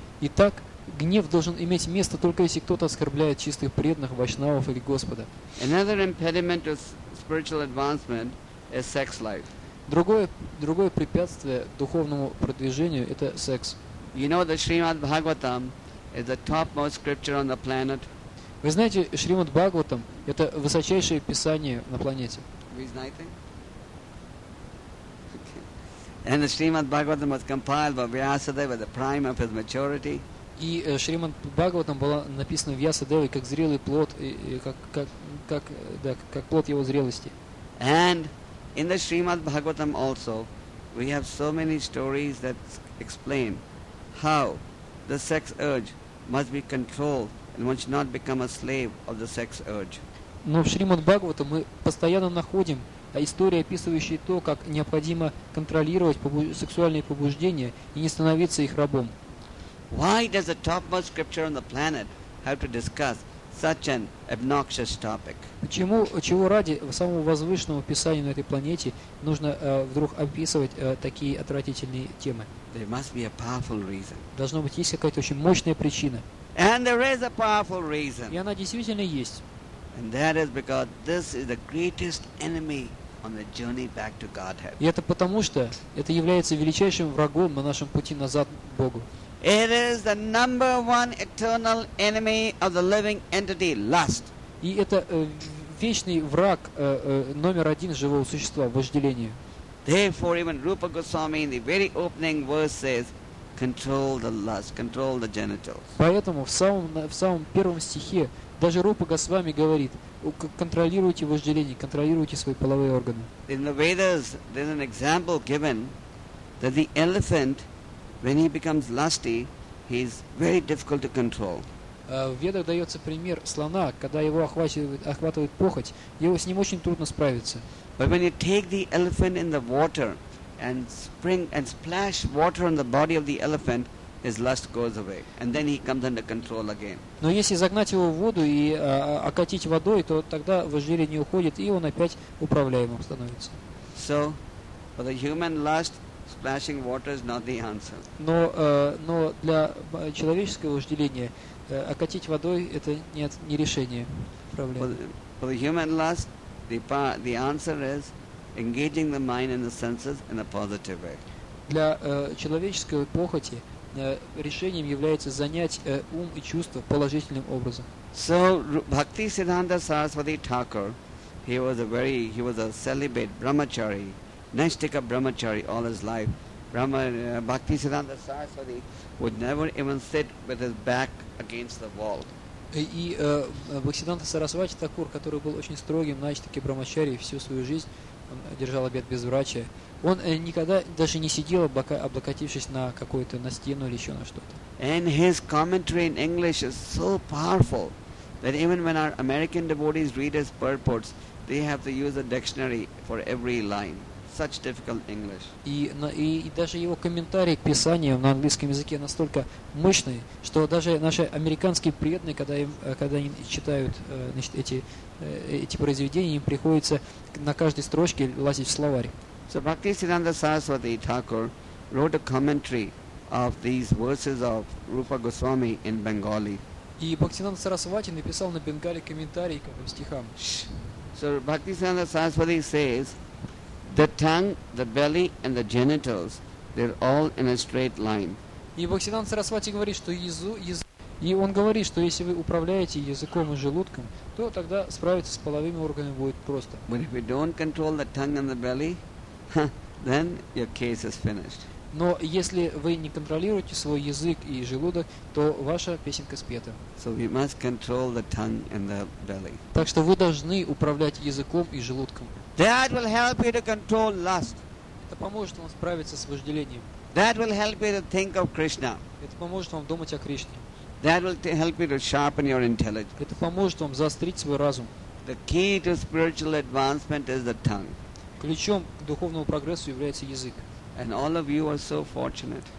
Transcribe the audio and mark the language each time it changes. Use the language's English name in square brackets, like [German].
[Russian] Итак, гнев должен иметь место только если кто-то оскорбляет чистых преданных, вайшнавов или Господа. [English] Another impediment to spiritual advancement is sex life. [Russian] Другое препятствие духовному продвижению это секс. [English] You know that Srimad Bhagavatam is the topmost scripture on the planet. [Russian] Вы знаете, Шримад Бхагаватам это высочайшее писание на планете. Вы знаете? [English] And the Srimad Bhagavatam was compiled by Vyasadeva, the prime of his maturity. [Russian] И Шримад Бхагаватам было написано Вьясадевой как зрелый плод, как плод его зрелости. [English] And in the Srimad Bhagavatam also, we have so many stories that explain how the sex urge must be controlled and one should not become a slave of the sex urge. [Russian] Но в Шримад Бхагаватам мы постоянно находим истории, описывающие то, как необходимо контролировать сексуальные побуждения и не становиться их рабом. [English] Why does the topmost scripture on the planet have to discuss such an obnoxious topic? [Russian] Почему, чего ради самого возвышенного писания на этой планете нужно вдруг описывать такие отвратительные темы? [English] There must be a powerful reason. [Russian] Должно быть есть какая-то очень мощная причина. [English] And there is a powerful reason. [Russian] И она действительно есть. [English] And that is because this is the greatest enemy on the journey back to Godhead. [Russian] И это потому что это является величайшим врагом на нашем пути назад к Богу. [English] It is the number one eternal enemy of the living entity, lust. [Russian] И это вечный враг номер один живого существа, вожделение. [English] Therefore, even Rupa Goswami in the very opening verse says, control the lust, control the genitals. [Russian] Поэтому в самом первом стихе даже Рупа Госвами говорит, контролируйте вожделение, контролируйте свои половые органы. [English] In the Vedas, there's an example given that the elephant, when he becomes lusty, he is very difficult to control. [Russian] В Ведах дается пример слона, когда его охватывает похоть, его с ним очень трудно справиться. [English] But when you take the elephant in the water and spring and splash water on the body of the elephant, his lust goes away, and then he comes under control again. [Russian] Но если загнать его в воду и окатить водой, то тогда вожделение уходит, и он опять управляемым становится. [English] So, for the human lust, splashing water is not the answer. [Russian] Но для человеческого вожделения окатить водой это не решение проблемы. [English] For the human lust, the answer is engaging the mind and the senses in a positive way. [Russian] Для человеческой похоти решением является занять ум и чувства положительным образом. [English] So Bhakti Siddhanta Saraswati Thakur, he was a celibate brahmachari, Naishtika brahmachari all his life. Bhakti Siddhanta Saraswati would never even sit with his back against the wall. [Russian] И Бхактисиддханта Сарасвати Такур, который был очень строгим Наиштхи Брамачари всю свою жизнь, держал обет безврачия, он никогда даже не сидел, облокотившись на какую-то на стену или еще на что-то. [English] And his commentary in English is so powerful that even when our American devotees read his purports, they have to use a dictionary for every line. Such difficult English. [Russian] И даже его комментарий к писанию на английском языке настолько мощный, что даже наши американские преданные, когда они читают эти произведения, им приходится на каждой строчке лазить в словарь. [English] So Bhaktisiddhanta Saraswati Thakur wrote a commentary of these verses of Rupa Goswami in Bengali. [Russian] И Бхактисиддханта Сарасвати написал на бенгали комментарий к этим стихам. [English] So Bhaktisiddhanta Saraswati says, the tongue, the belly, and the genitals, they're all in a straight line. [Russian] И Бхактисиддханта Сарасвати говорит, что язык, и он говорит, что если вы управляете языком и желудком, то тогда справиться с половыми органами будет просто. [English] But if you don't control the tongue and the belly, then your case is finished. [Russian] Но если вы не контролируете свой язык и желудок, то ваша песенка спета. [English] So we must control the tongue and the belly. [Russian] Так что вы должны управлять языком и желудком. [English] That will help you to control lust. [Russian] Это поможет вам справиться с вожделением. [English] That will help you to think of Krishna. [Russian] Это поможет вам думать о Кришне. [English] That will help you to sharpen your intelligence. [Russian] Это поможет вам заострить свой разум. [English] The key to spiritual advancement is the tongue. [Russian] Ключом к духовному прогрессу является язык. [English] And all of you are so fortunate.